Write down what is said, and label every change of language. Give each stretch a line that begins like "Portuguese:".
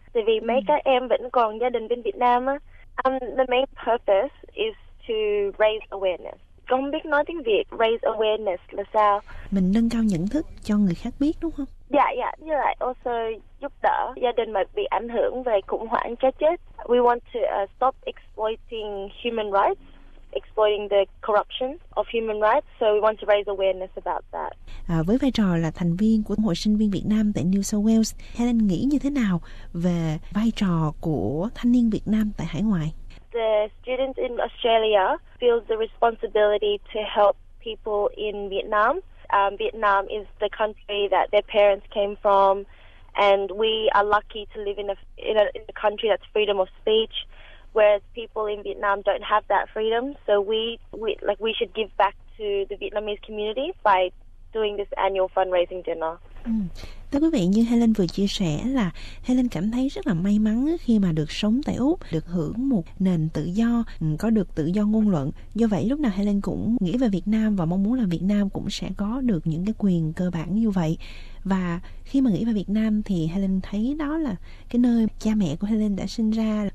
Vietnamese: Tại vì mấy các em vẫn còn gia đình bên Việt Nam á.
English: The main purpose is to raise awareness.
Vietnamese: Con không biết nói tiếng Việt,
English: raise awareness
Vietnamese: là sao? Mình nâng cao nhận thức cho người khác biết đúng không? Dạ, với lại also giúp đỡ gia đình mà bị ảnh hưởng về khủng hoảng cá chết.
English: We want to stop exploiting human rights, exploiting the corruption of human rights, so we want to raise awareness about that.
Vietnamese: Với vai trò là thành viên của Hội sinh viên Việt Nam tại New South Wales, Helen nghĩ như thế nào về vai trò của thanh niên Việt Nam tại hải ngoại?
English: The students in Australia feel the responsibility to help people in Vietnam. Vietnam is the country that their parents came from, and we are lucky to live in a country that's freedom of speech, whereas people in Vietnam don't have that freedom. So we should give back to the Vietnamese community by doing this annual fundraising dinner.
Vietnamese: Thưa quý vị, như Helen vừa chia sẻ là Helen cảm thấy rất là may mắn khi mà được sống tại Úc, được hưởng một nền tự do, có được tự do ngôn luận. Do vậy, lúc nào Helen cũng nghĩ về Việt Nam và mong muốn là Việt Nam cũng sẽ có được những cái quyền cơ bản như vậy. Và khi mà nghĩ về Việt Nam thì Helen thấy đó là cái nơi cha mẹ của Helen đã sinh ra.